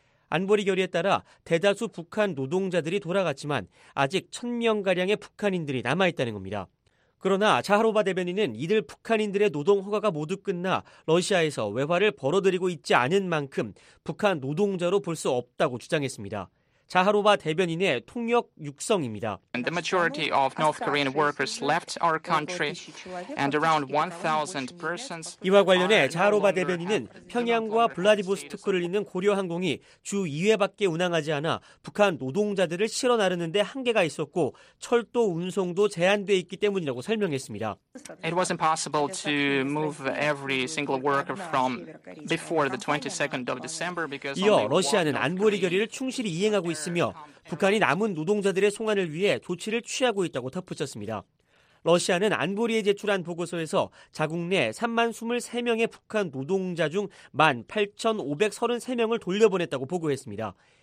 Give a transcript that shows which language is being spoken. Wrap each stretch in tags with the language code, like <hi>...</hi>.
<ko>안보리 결의에 따라 대다수 북한 노동자들이 돌아갔지만 아직 1,000명가량의 북한인들이 남아있다는 겁니다. 그러나 자하로바 대변인은 이들 북한인들의 노동 허가가 모두 끝나 러시아에서 외화를 벌어들이고 있지 않은 만큼 북한 노동자로 볼 수 없다고 주장했습니다. 자하로바 대변인의 통역 육성입니다.</ko> <en>The majority of North Korean workers left our country and around 1,000 persons.</en> <ko>이와 관련해 자하로바 대변인은 평양과 블라디보스토크를 잇는 고려항공이 주 2회밖에 운항하지 않아 북한 노동자들을 실어 나르는 데 한계가 있었고 철도 운송도 제한돼 있기 때문이라고 설명했습니다.</ko> <en>It was impossible to move every single worker from before the 22nd of December because</en> <ko>이어 러시아는 안보리 결의를 충실히 이행하고 있으며 북한이 남은 노동자들의 송환을 위해 조치를 취하고 있다고 덧붙였습니다. 러시아는 안보리에 제출한 보고서에서 자국 내 3만 23명의 북한 노동자 중 1만 8,533명을 돌려보냈다고 보고했습니다.</ko>